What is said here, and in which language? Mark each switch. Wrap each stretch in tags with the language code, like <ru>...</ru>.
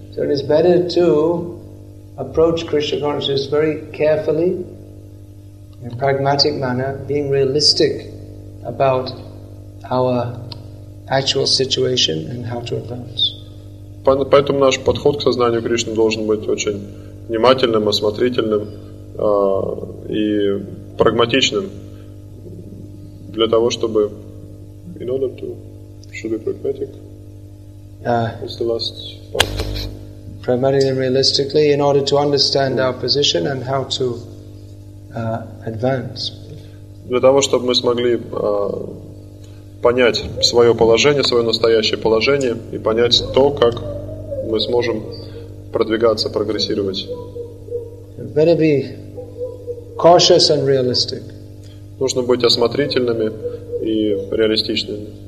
<en>So it is better to approach Krishna consciousness very carefully, in a pragmatic manner, being realistic about our actual situation and how to advance.</en> <ru>Поэтому наш подход к сознанию Кришны должен быть очень внимательным, осмотрительным и прагматичным для того, чтобы</ru> <en>in order to should be pragmatic. What's the last part? Pragmatically and realistically, in order to understand our position and how to advance.</en> <ru>Для того, чтобы мы смогли понять свое положение, свое настоящее положение и понять то, как мы сможем продвигаться, прогрессировать.</ru> <en>Better be cautious and realistic.</en> <ru>Нужно быть осмотрительными и реалистичными.</ru>